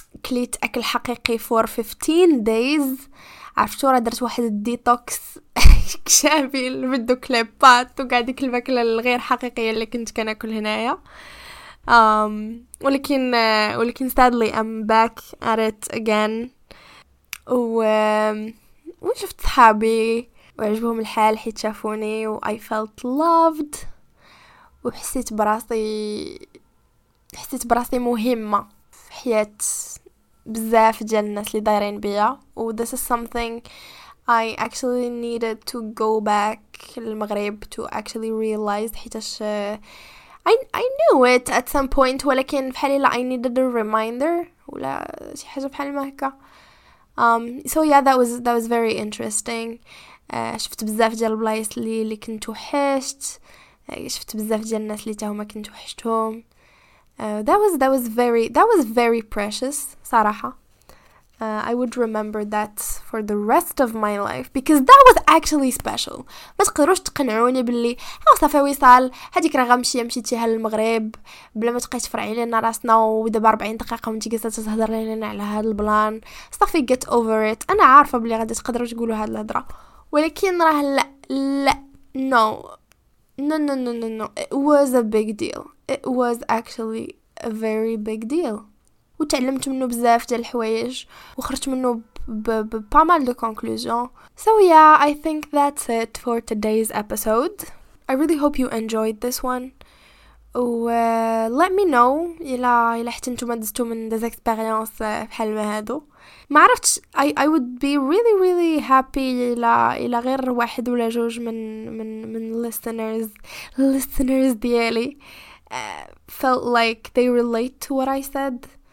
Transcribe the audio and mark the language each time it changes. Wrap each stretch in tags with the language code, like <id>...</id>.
<ar>كليت أكل حقيقي</ar> <en>for 15 days.</en> <ar>عرفتوا راه درت واحد الديتوكس كامل من دوك لي بات وكاع ديك الماكله الغير حقيقيه اللي كنت كناكل هنايا. ولكن</ar> <en>sadly I'm back at it again.</en> <ar>وشفت صحابي وعجبهم الحال حيت شافوني و</ar> <en>I felt loved،</en> <ar>وحسيت براسي مهمه في حياه بزاف ديال الناس اللي دايرين بيا.</ar> <en>و this is something I actually needed to go back المغرب to actually realize حيتاش I knew it at some point،</en> <ar>ولكن في حالي لا</ar> <en>I needed a reminder</en> <ar>ولا شي حاجة بحال ما هكا.</ar> <en>So yeah that was very interesting.</en> <ar>شفت بزاف ديال البلايص اللي كنت وحشت، شفت بزاف ديال الناس اللي تاهما كنت وحشتهم.</ar> <en>That was very precious</en> <ar>صراحة.</ar> <en>I would remember that for the rest of my life because that was actually special.</en> <ar>ما تقدروش تقنعوني باللي ها صافي وصال هذيك راه غنمشي مشيتيها للمغرب بلا ما تبقاي تفرعي لينا راسنا ودابا 40 دقيقه وانت جالسه تهضر لينا على هذا البلان. صافي</ar> <en>get over it.</en> <ar>انا عارفه بلي غادي تقدروا تقولوا هذه الهضره، ولكن راه لا</ar> <en>no. No, no no no no it was a big deal. It was actually a very big deal.</en> <ar>وتعلمت منه بزاف ديال الحوايج وخرجت منه</ar> <fr>بامال دو كونكلوزيون.</fr> <en>So yeah, I think that's it for today's episode. I really hope you enjoyed this one. Let me know</en> <ar>الا حتى نتوما دزتو من</ar> <en>these experience</en> <ar>بحال ما هادو. ما عرفتش</ar> <en>I would be really really happy</en> <ar>الا غير واحد ولا جوج من</ar> <en>listeners</en> <ar>ديالي</ar> <en>felt like they relate to what I said.</en>